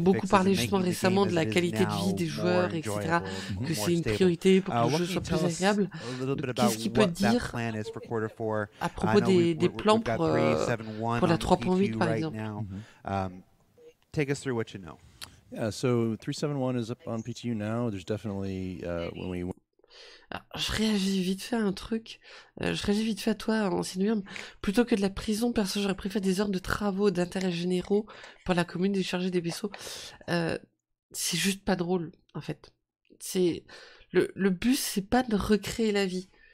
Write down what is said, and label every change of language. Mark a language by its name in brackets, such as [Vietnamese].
[French] beaucoup parlé justement récemment de la qualité de vie des joueurs, etc. Que c'est une priorité pour que le jeu soit plus agréable. Qu'est-ce qu'il peut dire à propos des plans pour la 3.8 par exemple? [English] Take us through what you know. Yeah, so 3.7.1 is up on PTU now. There's definitely when we [French] Alors, je réagis vite fait à un truc. Je réagis vite fait à toi, ancien William. Plutôt que de la prison, perso, j'aurais préféré des heures de travaux d'intérêt généraux pour la commune déchargée des vaisseaux. C'est juste pas drôle, en fait. Le but, c'est pas de recréer la vie.